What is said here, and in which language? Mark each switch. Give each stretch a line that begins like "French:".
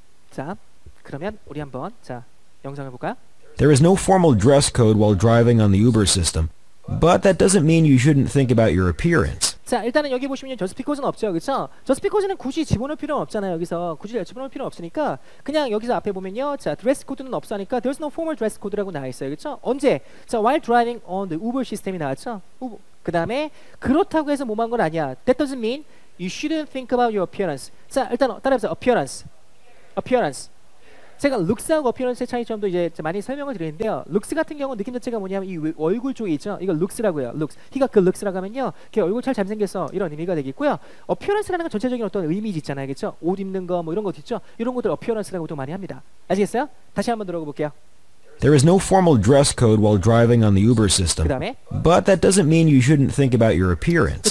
Korean: 자, 그러면 우리 한번 자, 영상을 볼까요?
English: There is no formal dress code while driving on the Uber system, but that doesn't mean you shouldn't think about your appearance.
Korean: 자, 일단은 여기 보시면
English: just because
Korean: 는 없죠. 그렇죠? just because는 굳이 집어넣을 필요는 없잖아요. 여기서 굳이 집어넣을 필요는 없으니까 그냥 여기서 앞에 보면요. 자, dress code는 없으니까
English: there's no formal dress code
Korean: 라고 나와 있어요. 그렇죠? 언제?
English: 자, while driving on the Uber system이
Korean: 나왔죠? 그다음에 그렇다고 해서 뭐만 건 아니야.
English: That doesn't mean you shouldn't think about your appearance.
Korean: 자, 일단 따라해서 appearance. appearance. 제가 looks하고 appearance의 차이점도 이제 많이 설명을 드렸는데요. looks 같은 경우 느낌 자체가 뭐냐면 이 얼굴 쪽에 있죠. 이거 looks라고요. looks. 희가 그 looks라고 하면요. 걔 얼굴 잘 잘생겼어. 이런 의미가 되겠고요. appearance라는 건 전체적인 어떤 의미지 있잖아요. 그렇죠? 옷 입는 거 뭐 이런 것 있죠? 이런 것들 appearance라고도 많이 합니다. 아시겠어요? 다시 한번 들어가 볼게요.
English: There is no formal dress code while driving on the Uber system.
Korean: 그다음에?
English: But that doesn't mean you shouldn't think about your appearance.